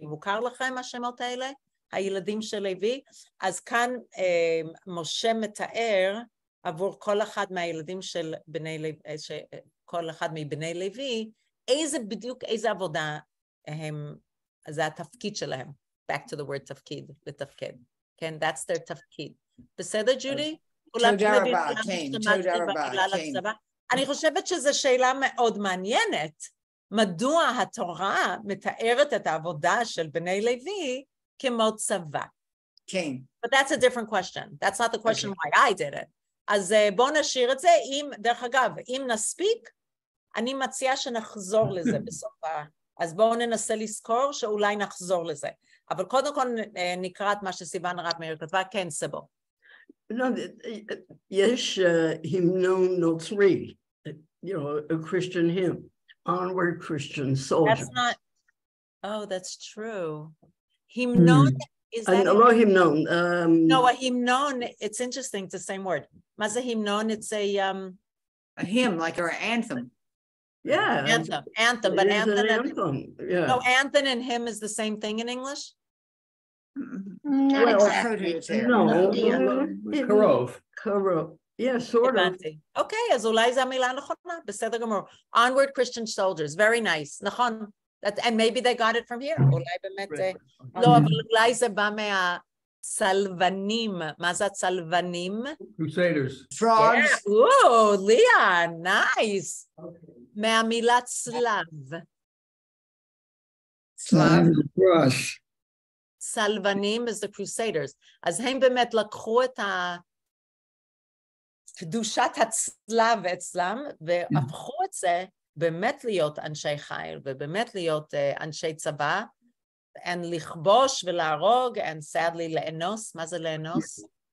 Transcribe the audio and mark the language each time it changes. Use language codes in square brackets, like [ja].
[he] מוכר לכם השמות האלה? הילדים של לוי? אז כאן משה מתאר עבור כל אחד מהילדים של בני לוי, כל אחד מבני לוי, איזה בדיוק, איזה עבודה הם, זה התפקיד שלהם. [en] Back to the word תפקיד, לתפקד. כן, that's their תפקיד. [he] בסדר, ג'ודי? תודה רבה, כן. אני חושבת שזו שאלה מאוד מעניינת, מדוע התורה מתארת את העבודה של בני לוי כמו צבא. כן. [en] But that's a different question. That's not the question okay. why I did it. [he] אז בואו נשאיר את זה, אם, דרך אגב, אם נספיק, אני מציעה שנחזור לזה בסוף. אז בואו ננסה לזכור שאולי נחזור לזה. אבל קודם כל נקרא את מה שסיוון רב מאיר כתבה, כן, סבו. לא, יש הימנון נוצרי, [en] you know, a Christian hymn, Onward Christian Soldier. That's not, oh, that's true. הימנון, is that [he] a... לא הימנון. [en] No, a הימנון, it's interesting, it's the same word. [he] מה זה הימנון? [en] It's a... a hymn, like our anthem. Yeah. Anthem, but anthem. And... Yeah. No, anthem and hymn is the same thing in English? Not well, exactly. No. Karov. Yeah, sort of. [he] Okay, אז אולי זה המילה נכונה, בסדר גמור. [en] Onward Christian soldiers, very nice. [he] נכון. [en] And maybe they got it from here. [he] אולי באמת... לא, אבל אולי זה בא מהצלבנים. מה זה הצלבנים? [en] Crusaders. Frogs. Ooh, Leon, nice. Okay. [he] מהמילה צלב. צלב זה פרוש. [en] צלבנים is the crusaders. [he] אז הם באמת לקחו את קדושת הצלב אצלם, והפכו את זה באמת להיות אנשי חיל, ובאמת להיות אנשי צבא, and לכבוש ולהרוג, [en] and sadly [he] לאנוס, מה זה לאנוס?